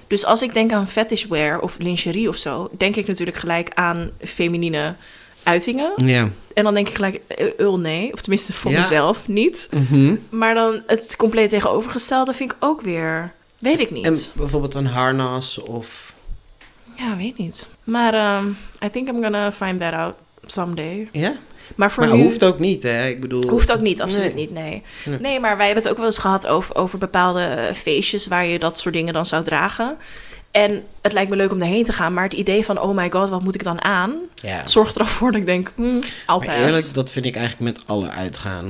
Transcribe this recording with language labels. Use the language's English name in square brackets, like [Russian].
[Dutch] Dus als ik denk aan fetishwear of lingerie of zo, denk ik natuurlijk gelijk aan feminine uitingen. Ja. En dan denk ik gelijk, nee. Of tenminste voor mezelf niet. Mm-hmm. Maar dan het compleet tegenovergestelde vind ik ook weer, weet ik niet. En bijvoorbeeld een harnas of... Ja, weet niet. [English] Maar I think I'm gonna find that out someday. [Dutch] Ja? [English] Yeah. [Dutch] Maar nu, hoeft ook niet, hè? Ik bedoel... Hoeft ook niet, absoluut nee. niet, nee. nee. Nee, maar wij hebben het ook wel eens gehad over bepaalde feestjes... waar je dat soort dingen dan zou dragen. En het lijkt me leuk om erheen te gaan... maar het idee van, [English] oh my god, [Dutch] wat moet ik dan aan... Ja. zorgt er al voor dat ik denk, [English] I'll pass. [Dutch] Maar eerlijk, dat vind ik eigenlijk met alle uitgaan.